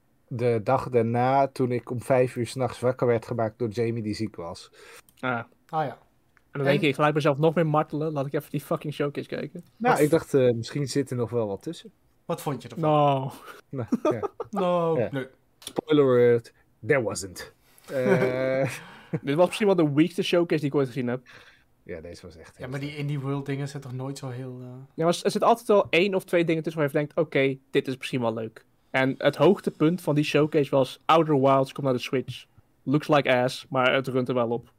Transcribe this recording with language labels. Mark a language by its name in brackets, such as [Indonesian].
[Dutch] De dag daarna, toen ik om 5 uur 's nachts wakker werd gemaakt door Jamie die ziek was. Ah ja. En dan denk ik, gelijk mezelf nog meer martelen. Laat ik even die fucking showcase kijken. Nou, ik dacht, misschien zit er nog wel wat tussen. Wat vond je ervan? [English] No. No. Spoiler alert, there wasn't. [Dutch] Dit was misschien wel de weakste showcase die ik ooit gezien heb. Ja, deze was echt... Ja, maar die indie world dingen zijn toch nooit zo heel... Ja, maar er zit altijd wel 1 of 2 dingen tussen waar je denkt, oké, dit is misschien wel leuk. En het hoogtepunt van die showcase was... Outer Wilds komt naar de Switch. Looks like ass, maar het runt er wel op.